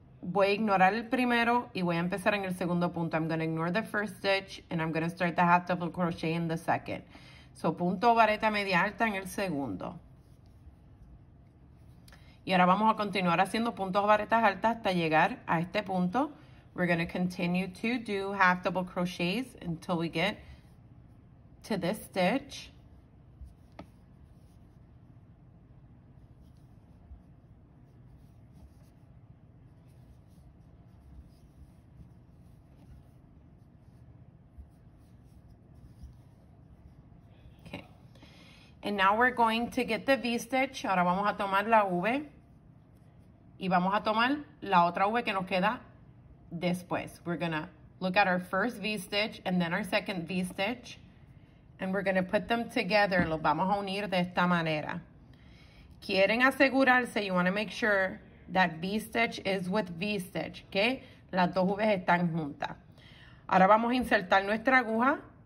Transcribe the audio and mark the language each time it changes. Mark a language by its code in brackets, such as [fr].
[es] Voy a ignorar el primero y voy a empezar en el segundo punto. [en] I'm going to ignore the first stitch and I'm going to start the half double crochet in the second. [es] So punto vareta media alta en el segundo. Y ahora vamos a continuar haciendo puntos varetas altas hasta llegar a este punto. [en] We're going to continue to do half double crochets until we get to this stitch. And now we're going to get the V-stitch. [es] Ahora vamos a tomar la V. Y vamos a tomar la otra V que nos queda después. [en] We're going to look at our first V-stitch and then our second V-stitch. And we're going to put them together. [es] Los vamos a unir de esta manera. Quieren asegurarse, [en] you want to make sure that V-stitch is with V-stitch. [es] Que las dos V están juntas. Ahora vamos a insertar nuestra aguja.